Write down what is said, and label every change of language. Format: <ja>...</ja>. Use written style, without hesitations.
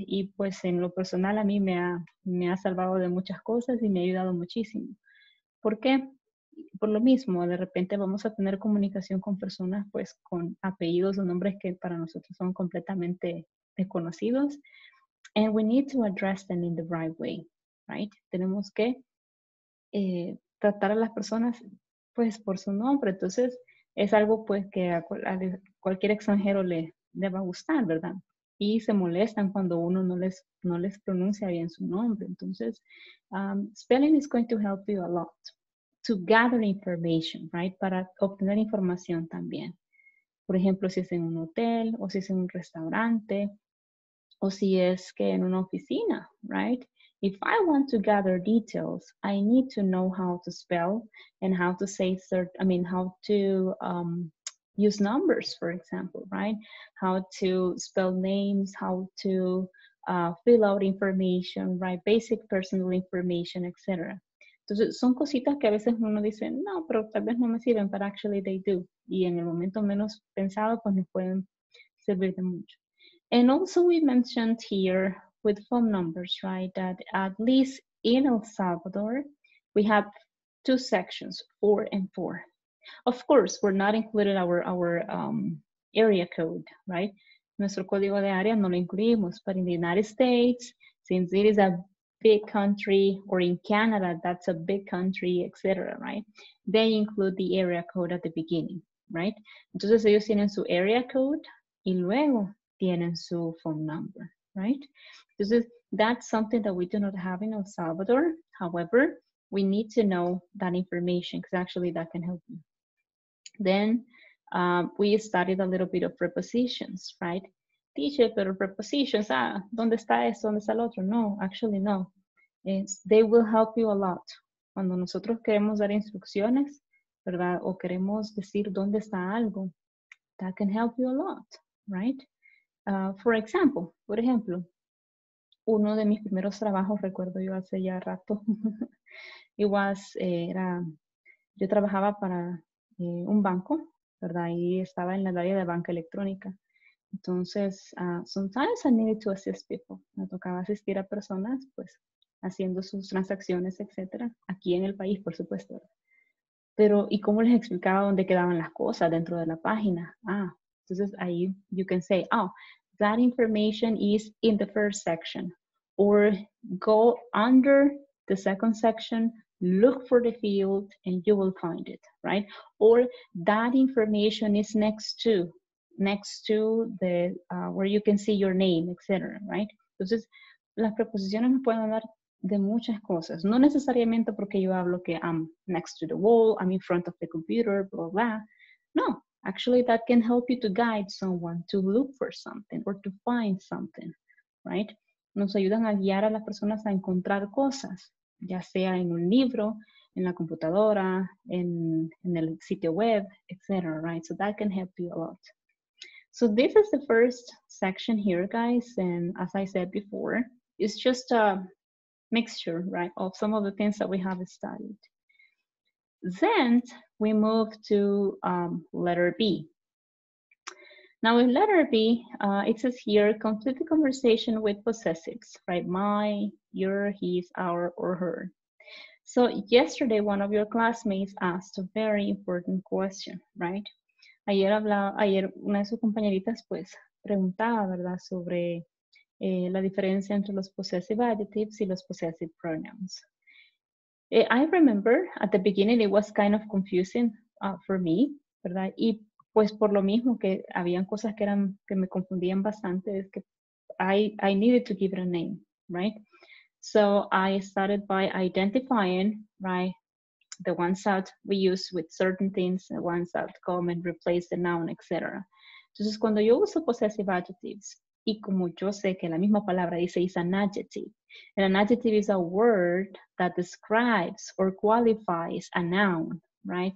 <es>Y pues en lo personal a mí me ha salvado de muchas cosas y me ha ayudado muchísimo. ¿Por qué? por lo mismo, de repente vamos a tener comunicación con personas pues con apellidos o nombres que para nosotros son completamente desconocidos.</es> <en>And we need to address them in the right way, right?</en> <es>Tenemos que tratar a las personas pues por su nombre. Entonces, es algo pues que a cualquier extranjero le va a gustar, ¿verdad? Y se molestan cuando uno no les pronuncia bien su nombre. Entonces,</es> <en>spelling is going to help you a lot to gather information, right?</en> <es>Para obtener información también. Por ejemplo, si es en un hotel o si es en un restaurante o si es que en una oficina, right?</es> <en>If I want to gather details, I need to know how to spell and how to say certain, I mean, how to use numbers, for example, right? How to spell names, how to fill out information, right? Basic personal information, etc.</en> <es>Entonces, son cositas que a veces uno dice, no, pero tal vez no me sirven,</es> <en>but actually they do.</en> <es>Y en el momento menos pensado, pues nos pueden servir de mucho.</es> <en>And also we mentioned here with phone numbers, right, that at least in El Salvador, we have two sections, 4 and 4. Of course, we're not included our area code, right?</en> <es>Nuestro código de área no lo incluimos,</es> <en>but in the United States, since it is a big country, or in Canada, that's a big country, etc., right? They include the area code at the beginning, right?</en> <es>Entonces ellos tienen su area code y luego tienen su phone number, right? Entonces,</es> <en>that's something that we do not have in El Salvador. However, we need to know that information because actually that can help you. Then we studied a little bit of prepositions, right?</en> <es>Teacher, pero prepositions, ah, ¿dónde está eso? ¿Dónde está el otro?</es> <en>No, actually no. It's, they will help you a lot.</en> <es>Cuando nosotros queremos dar instrucciones, ¿verdad? O queremos decir dónde está algo,</es> <en>that can help you a lot,</en> <es>right?</es> <en>For example,</en> <es>por ejemplo, uno de mis primeros trabajos, recuerdo yo hace ya rato, yo trabajaba para un banco, ¿verdad? Y estaba en la área de banca electrónica. Entonces,</es> <en>sometimes I needed to assist people.</en> <es>Me tocaba asistir a personas, pues, haciendo sus transacciones, etcétera, aquí en el país, por supuesto. Pero, ¿y cómo les explicaba dónde quedaban las cosas dentro de la página? Ah, entonces ahí</es> <en>you can say, oh, that information is in the first section. Or go under the second section, look for the field, and you will find it, right? Or that information is next to the where you can see your name, etc., right?</en> <es>Entonces, las preposiciones me pueden hablar de muchas cosas. No necesariamente porque yo hablo que</es> <en>I'm next to the wall, I'm in front of the computer, blah, blah, blah. No. Actually, that can help you to guide someone to look for something or to find something, right?</en> <es>Nos ayudan a guiar a las personas a encontrar cosas, ya sea en un libro, en la computadora, en el sitio web, etc., right?</es> <en>So that can help you a lot. So this is the first section here, guys. And as I said before, it's just a mixture, right, of some of the things that we have studied. Then we move to letter B. Now in letter B, it says here, complete the conversation with possessives, right? My, your, his, our, or her. So yesterday, one of your classmates asked a very important question, right?</en> <es>Ayer una de sus compañeritas, pues, preguntaba, ¿verdad? Sobre la diferencia entre los possessive adjectives y los possessive pronouns.</es> <en>I remember at the beginning it was kind of confusing for me, ¿verdad?</en> <es>Y pues por lo mismo que habían cosas que eran que me confundían bastante, es que</es> <en>I needed to give it a name,</en> <es>right?</es> <en>So I started by identifying, right, the ones that we use with certain things, the ones that come and replace the noun, etc.</en> <es>Entonces cuando yo uso possessive adjectives, y como yo sé que la misma palabra dice</es> <en>is an adjective. And an adjective is a word that describes or qualifies a noun, right?</en>